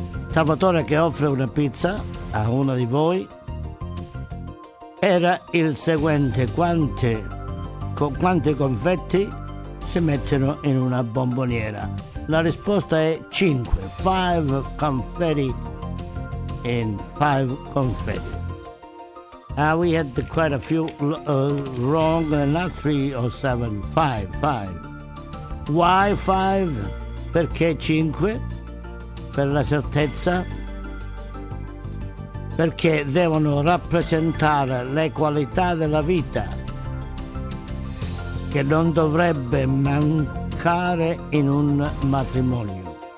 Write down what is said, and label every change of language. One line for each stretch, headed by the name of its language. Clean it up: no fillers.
Italian: Salvatore che offre una pizza a uno di voi, era il seguente: quanti confetti si mettono in una bomboniera? La risposta è 5, 5 confetti in 5 confetti.
English: We had quite a few wrong, not 3 or 7, 5, 5. Why 5?
Italian: Perché 5? Per la certezza, perché devono rappresentare le qualità della vita che non dovrebbe mancare in un matrimonio.